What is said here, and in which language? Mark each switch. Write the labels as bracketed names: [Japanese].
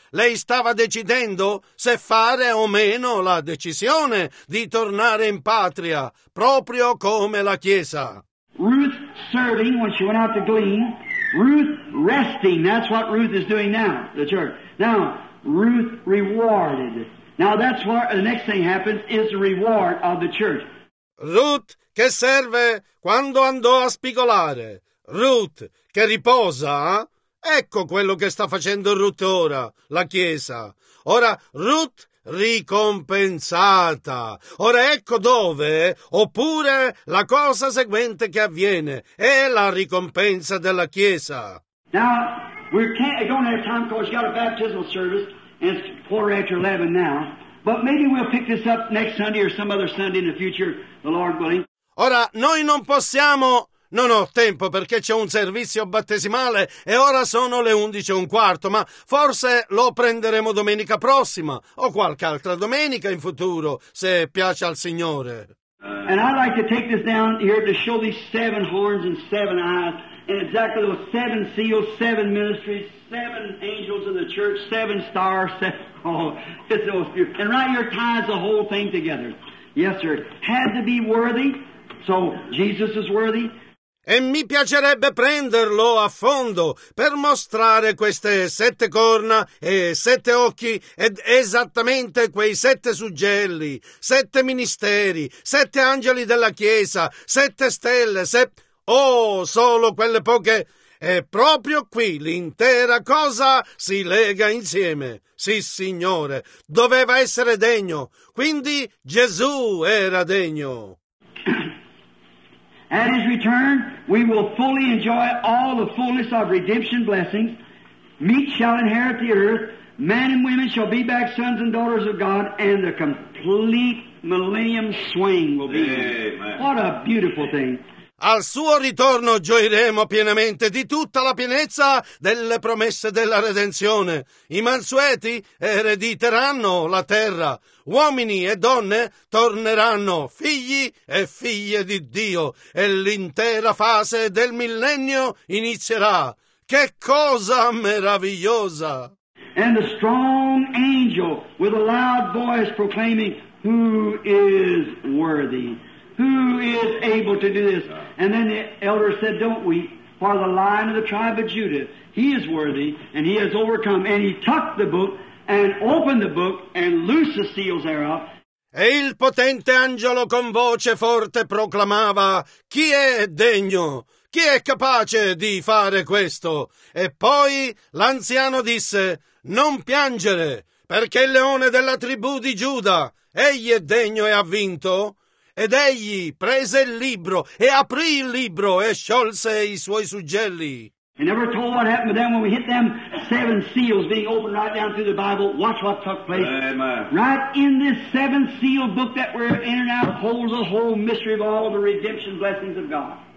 [Italian] Lei stava decidendo se fare o meno la decisione di tornare in patria, proprio come la Chiesa. [English] Ruth serving when she went out to glean. Ruth resting, that's what Ruth is doing now, the church. Now, Ruth rewarded. Now that's where the next thing happens is the reward of the church. [Italian] Ruth che serve quando andò a spigolare. Ruth che riposa. Ecco quello che sta facendo Ruth ora, la Chiesa. Ora, Ruth ricompensata. Ora ecco dove, oppure la cosa seguente che avviene è la ricompensa della Chiesa. [English] Now we can't don't have time because you got a baptismal service and it's 10:45 now. But maybe we'll pick this up next Sunday or some other Sunday in the future, the Lord willing. [Italian] Ora noi non possiamo. Non ho tempo perché c'è un servizio battesimale e ora sono 11:15, ma forse lo prenderemo domenica prossima o qualche altra domenica in futuro, se piace al Signore. [English] And I'd like to take this down here to show these seven horns and seven eyes and exactly those seven seals, seven ministries, seven angels of the church, seven stars, seven, oh, it's those few. And right here ties the whole thing together. Yes, sir. Had to be worthy, so Jesus is worthy. [Italian] E mi piacerebbe prenderlo a fondo per mostrare queste sette corna e sette occhi ed esattamente quei sette suggelli, sette ministeri, sette angeli della Chiesa, sette stelle, oh, solo quelle poche. E proprio qui l'intera cosa si lega insieme. Sì, Signore, doveva essere degno. Quindi Gesù era degno. [English] At his return, we will fully enjoy all the fullness of redemption blessings. Meek shall inherit the earth. Men and women shall be back sons and daughters of God, and the complete millennium swing will be here. What a beautiful thing. [Italian] Al suo ritorno gioiremo pienamente di tutta la pienezza delle promesse della redenzione. I mansueti erediteranno la terra. Uomini e donne torneranno figli e figlie di Dio. E l'intera fase del millennio inizierà. Che cosa meravigliosa! [English] And the strong angel with a loud voice proclaiming, who is worthy? Who is able to do this? And then the elder said, don't weep, for the lion of the tribe of Judah, he is worthy, and he has overcome. And he tucked the book, and opened the book, and loosed the seals thereof. [Italian] E il potente angelo con voce forte proclamava, chi è degno? Chi è capace di fare questo? E poi l'anziano disse, non piangere, perché il leone della tribù di Giuda, egli è degno e ha vinto. Ed egli prese il libro e aprì il libro e sciolse i suoi suggelli. [English] They never told what happened to them when we hit them seven seals being opened right down through the Bible. Watch what took place. Amen. Right in this seven seal book that we're in and out holds the whole mystery of all the redemption blessings of God.